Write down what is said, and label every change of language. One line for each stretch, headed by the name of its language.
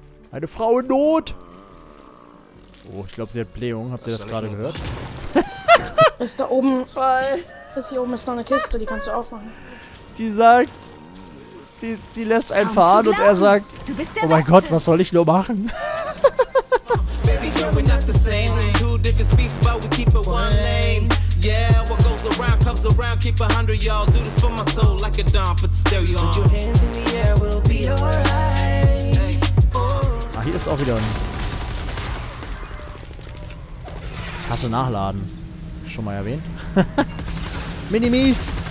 German: Eine Frau in Not! Oh, ich glaube, sie hat Blähung. Habt ihr das gerade gehört? Ist da oben. Chris, hier oben ist noch eine Kiste, die kannst du aufmachen. Die sagt. Die lässt einen fahren und er sagt: Oh mein Gott, was soll ich nur machen?
English: Baby girl, we're not the same. Two different speeds, but we keep it one lane. Yeah, what goes around comes around. Keep a 100, y'all. Do this for my soul like a dawn, but still you on. Put your hands in the air, we'll be alright.
German: Ah, hier ist auch wieder ein. Kasse nachladen. Schon mal erwähnt. Minimies!